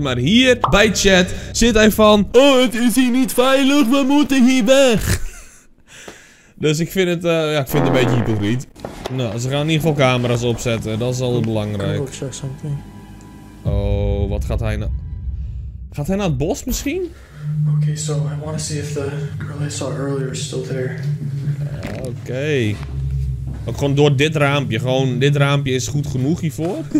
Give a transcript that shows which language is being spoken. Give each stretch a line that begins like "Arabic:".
Dutch: Maar hier, bij chat, zit hij van, oh, het is hier niet veilig, we moeten hier weg. Dus ik vind het, ik vind het een beetje hypocriet. Nou, ze gaan in ieder geval camera's opzetten. Dat is al belangrijk. Oh, wat gaat hij nou? Gaat hij naar het bos misschien?
English: Oké, so I want to see if the girl I saw earlier is still there.
Dutch: Oké. Ook gewoon door dit raampje. Gewoon, dit raampje is goed genoeg hiervoor.